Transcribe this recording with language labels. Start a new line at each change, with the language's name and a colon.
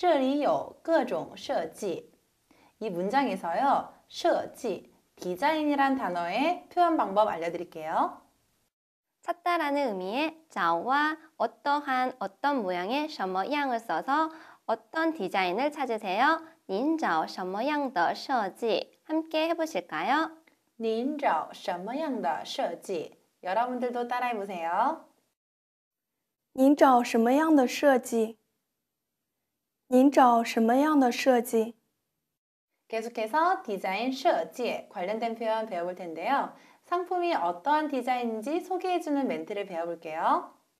Chinese: 这里有各种设计.
Korean: 이 문장에서요, 设计, 디자인이란 단어의 표현 방법 알려드릴게요. 찾다라는 의미의 자와 어떠한 어떤 모양의 什么样을 써서 어떤 디자인을 찾으세요.
Chinese: 您找什么样的设计
Korean: 함께 해보실까요?
Chinese: 您找什么样的设计.
Korean: 여러분들도 따라해보세요.
Chinese: 您找什么样的设计.您找什么样的设计.
Korean: 계속해서 디자인 设计 관련된 표현 배워볼 텐데요. 상품이 어떠한 디자인인지 소개해주는 멘트를 배워볼게요.